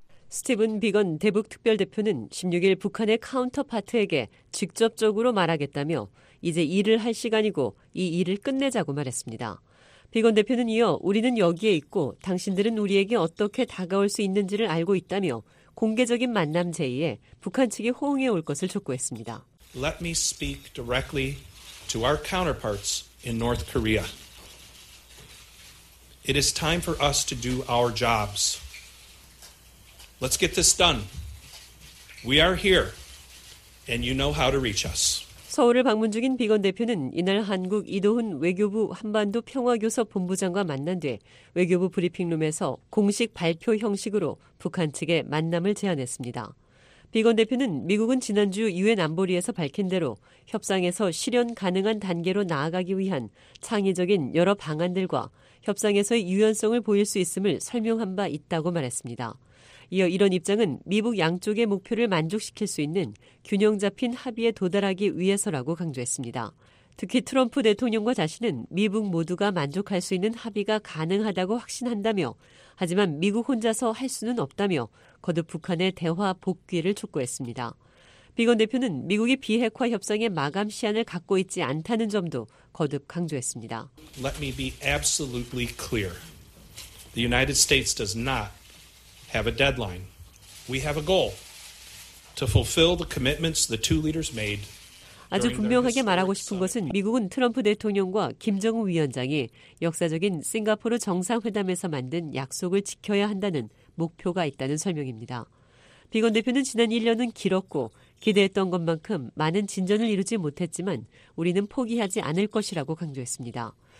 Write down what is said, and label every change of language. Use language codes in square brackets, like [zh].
[ko] 스티븐 비건 대북특별대표는 16일 북한의 카운터파트에게 직접적으로 말하겠다며 이제 일을 할 시간이고 이 일을 끝내자고 말했습니다. 비건 대표는 이어 우리는 여기에 있고 당신들은 우리에게 어떻게 다가올 수 있는지를 알고 있다며 공개적인 만남 제의에 북한 측이 호응해 올 것을 촉구했습니다. [en] Let me speak directly to our counterparts in North Korea. It is time for us to do our jobs. Let's get this done. We are here and you know how to reach us. [ko] 서울을 방문 중인 비건 대표는 이날 한국 이도훈 외교부 한반도 평화교섭 본부장과 만난 뒤 외교부 브리핑룸에서 공식 발표 형식으로 북한 측에 만남을 제안했습니다. 비건 대표는 미국은 지난주 유엔 안보리에서 밝힌 대로 협상에서 실현 가능한 단계로 나아가기 위한 창의적인 여러 방안들과 협상에서의 유연성을 보일 수 있음을 설명한 바 있다고 말했습니다. 이어 이런 입장은 미북 양쪽의 목표를 만족시킬 수 있는 균형 잡힌 합의에 도달하기 위해서라고 강조했습니다. 특히 트럼프 대통령과 자신은 미북 모두가 만족할 수 있는 합의가 가능하다고 확신한다며 하지만 미국 혼자서 할 수는 없다며 거듭 북한의 대화 복귀를 촉구했습니다. 비건 대표는 미국이 비핵화 협상의 마감 시한을 갖고 있지 않다는 점도 거듭 강조했습니다. [en] Let me be absolutely clear. The United States does not have a deadline. We have a goal to fulfill the commitments the two leaders made. [ko] 아주 분명하게 말하고 싶은 것은 미국은 트럼프 대통령과 김정은 위원장이 역사적인 싱가포르 정상회담에서 만든 약속을 지켜야 한다는 목표가 있다는 설명입니다. 비건 대표는 지난 1년은 길었고 기대했던 것만큼 많은 진전을 이루지 못했지만 우리는 포기하지 않을 것이라고 강조했습니다.